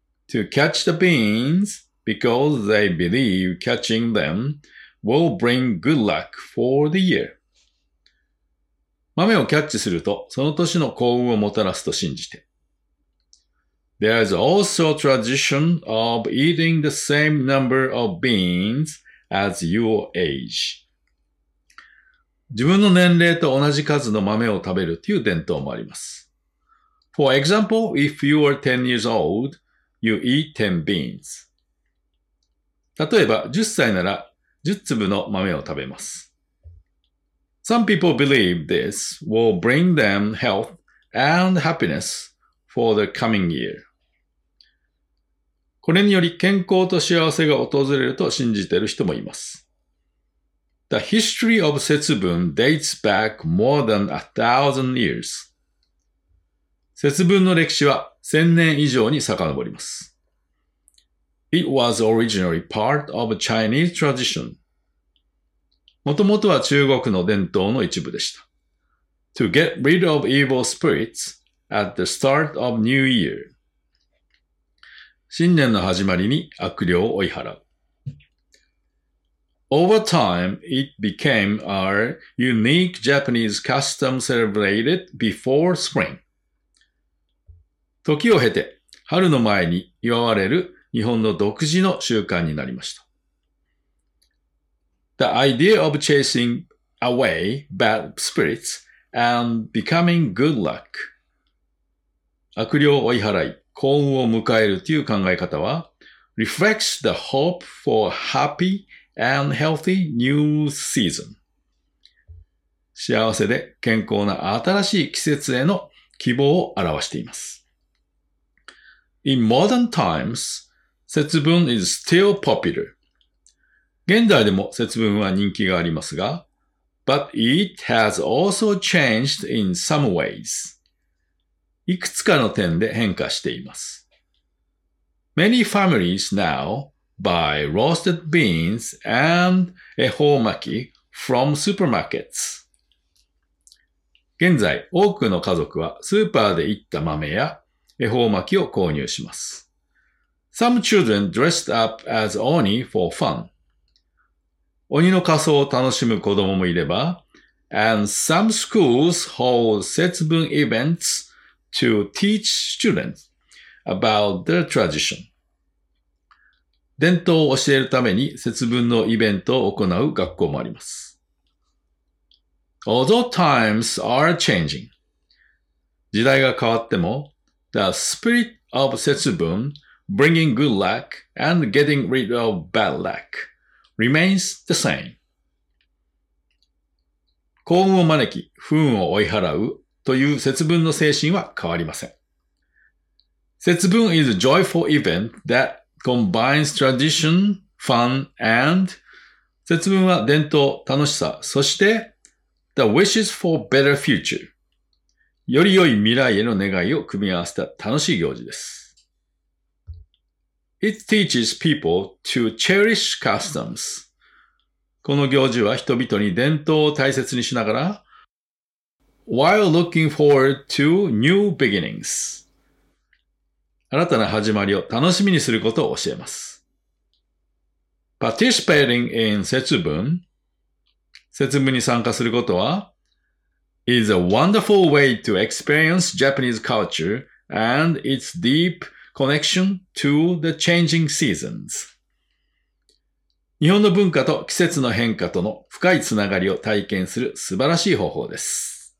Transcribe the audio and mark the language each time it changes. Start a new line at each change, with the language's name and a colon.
English: To catch the beans because they believe catching them will bring good luck for the year.
Japanese: 豆をキャッチすると、その年の幸運をもたらすと信じて。
English: There is also a tradition of eating the same number of beans as your age.
Japanese: 自分の年齢と同じ数の豆を食べるという伝統もあります。
English: For example, if you are 10 years old, you eat 10 beans.
Japanese: 例えば、10歳なら10粒の豆を食べます。
English: Some people believe this will bring them health and happiness for the coming year.
Japanese: これにより健康と幸せが訪れると信じている人もいます。
English: The history of 節分 dates back more than 1,000 years.
Japanese: 節分の歴史は1000年以上に遡ります。
English: It was originally part of a Chinese tradition.
Japanese: もともとは中国の伝統の一部でした。
English: To get rid of evil spirits at the start of New Year.
Japanese: 新年の始まりに悪霊を追い払う。
English: Over time, it became a unique Japanese custom celebrated before spring.
Japanese: 時を経て、春の前に祝われる日本の独自の習慣になりました。
English: The idea of chasing away bad spirits and becoming good luck.
Japanese: 悪霊を追い払い、幸運を迎えるという考え方は、
English: reflects the hope for a happy and healthy new season.
Japanese: 幸せで健康な新しい季節への希望を表しています。
English: In modern times, 節分 is still popular.
Japanese: 現代でも節分は人気がありますが、
English: But it has also changed in some ways.
Japanese: いくつかの点で変化しています。
English: Many families now buy roasted beans and 恵方巻き from supermarkets.
Japanese: 現在、多くの家族はスーパーで行った豆や恵方巻きを購入します。
English: Some children dressed up as oni for fun.
Japanese: 鬼の仮装を楽しむ子供もいれば、
English: And some schools hold 節分 events to teach students about their tradition.
Japanese: 伝統を教えるために節分のイベントを行う学校もあります。
English: Although times are changing,
Japanese: 時代が変わっても、
English: The spirit of 節分 bringing good luck and getting rid of bad luckremains the same.
Japanese: 幸運を招き、不運を追い払うという節分の精神は変わりません。
English: 節分 is a joyful event that combines tradition, fun, and
Japanese: 節分は伝統、楽しさ、そして
English: the wishes for better future.
Japanese: より良い未来への願いを組み合わせた楽しい行事です。
English: It teaches people to cherish customs.
Japanese: この行事は人々に伝統を大切にしながら、
English: while looking forward to new beginnings.
Japanese: 新たな始まりを楽しみにすることを教えます。
English: Participating in 節分、
Japanese: 節分に参加することは、
English: is a wonderful way to experience Japanese culture and its deep connection to the changing seasons.
Japanese: 日本の文化と季節の変化との深いつながりを体験する素晴らしい方法です。